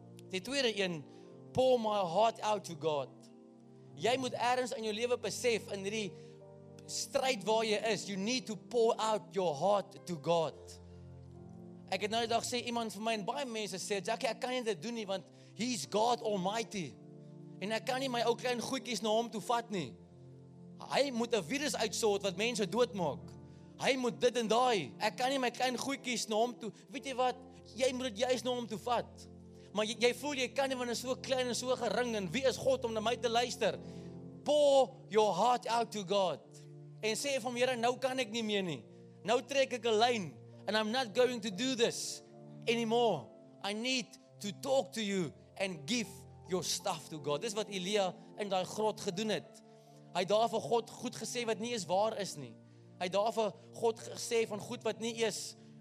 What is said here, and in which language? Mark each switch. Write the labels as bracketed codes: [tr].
[af] Die tweede een, [en] pour my heart out to God. [af] Jy moet ergens in jou leven besef, in die stryd waar jy is, [en] you need to pour out your heart to God. [af] Ek het nou die dag sê, iemand vir my en baie mense sê, Jackie, ek kan nie dit doen nie, want [en] he is God Almighty. [af] En ek kan nie my ou klein goedkies na hom toe vat nie. Hy moet een virus uitsoort wat mense doodmaak. Hy moet dit en daai. Ek kan nie my klein goeikies na hom toe. Weet jy wat? Jy moet het juist na hom toe vat. Maar jy voel jy kan nie want het so klein en so gering. En wie is God om na my te luister? [en] Pour your heart out to God. [af] En sê vir my, Here, nou kan ek nie meer nie. Nou trek ek 'n lyn. [en] And I'm not going to do this anymore. I need to talk to you and give your stuff to God. [af] Dis wat Elia in daai grot gedoen het. Hy daar vir God goed gesê wat nie eens waar is nie. Hy daar vir God gesê van goed wat nie eens.